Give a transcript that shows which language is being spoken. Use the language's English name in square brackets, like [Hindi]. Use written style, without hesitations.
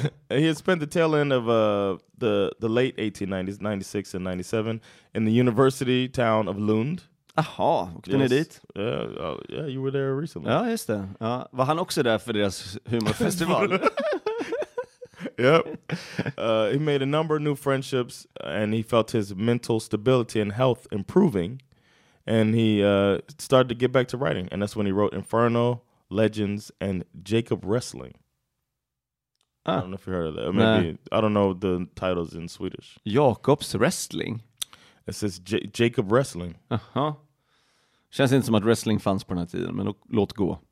[English] He had spent the tail end of the late 1890s, 96 and 97, in the university town of Lund. [Swedish] Aha, åkte ni dit? [English] Yeah, you were there recently. [Swedish] Ja, just det. Ja. Var han också där för deras humorfestival? [English] Yep. He made a number of new friendships, and he felt his mental stability and health improving. And he started to get back to writing. And that's when he wrote Inferno, Legends, and Jacob Wrestling. Ah. I don't know if you heard of that. Maybe. I don't know the titles in Swedish. [Swedish] Jakobs Wrestling? [English] It says Jacob Wrestling. Uh-huh. [Swedish] Känns inte som att wrestling fanns på den här tiden, men låt gå.